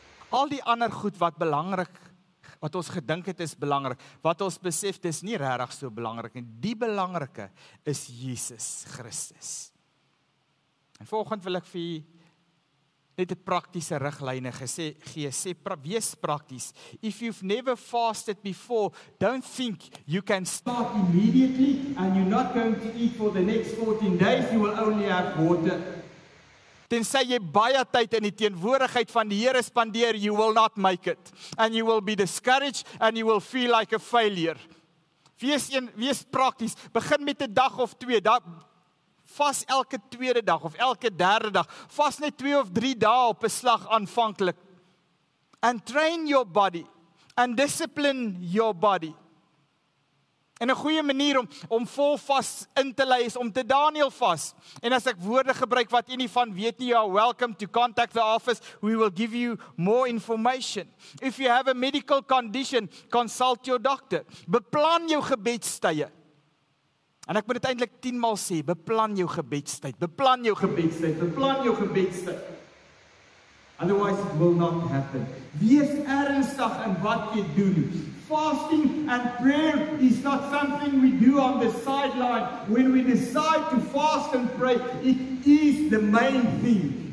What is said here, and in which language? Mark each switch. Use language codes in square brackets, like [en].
[af] al die ander goed wat belangrik, wat ons gedink het is belangrik, wat ons besef, dis nie regtig so belangrik nie. Die belangrike is Jesus Christus. En volgend wil ek vir jy net die praktiese riglyne wees prakties. [en] If you've never fasted before, don't think you can start immediately and you're not going to eat for the next 14 days, you will only have water. [af] Tensy jy baie tyd in die teenwoordigheid van die Here spandeer, you will not make it. [en] And you will be discouraged and you will feel like a failure. [af] Wees prakties. Begin met 'n dag of twee. Vas elke tweede dag of elke derde dag. Vas net 2 of 3 dae op 'n slag aanvanklik. [en] And train your body and discipline your body. [af] En 'n goeie manier om vol vas in te lei is om te Daniel vas. En as ek woorde gebruik wat jy nie van weet nie, you are welcome to contact the office. [en] We will give you more information. If you have a medical condition, consult your doctor. [af] Beplan jou gebedstye. En ek moet dit eintlik 10 maal sê, beplan jou gebedstyd. Beplan jou gebedstyd. Beplan jou gebedstyd. Otherwise it will not happen. Wees ernstig in wat jy doen. [en] Fasting and prayer is not something we do on the sideline. When we decide to fast and pray, it is the main thing.